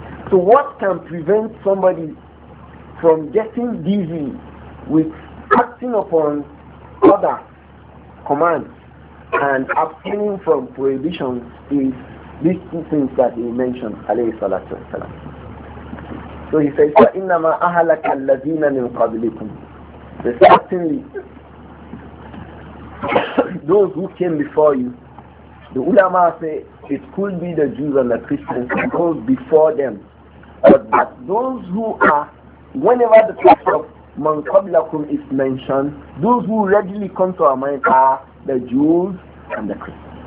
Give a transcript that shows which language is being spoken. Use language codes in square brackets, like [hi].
[en] So what can prevent somebody from getting busy with acting upon other commands and abstaining from prohibitions is these two things that he mentioned, alayhi salatu wasalam. So he says, [ar] فَإِنَّمَا أَهَلَكَ الَّذِينَ مِنْ قَبْلِكُمْ. [en] Certainly, those who came before you, the ulama say, it could be the Jews and the Christians, those before them. But those who are, whenever the text of [ar] مَنْ قَبْلَكُمْ [en] is mentioned, those who readily come to our mind are the Jews and the Christians.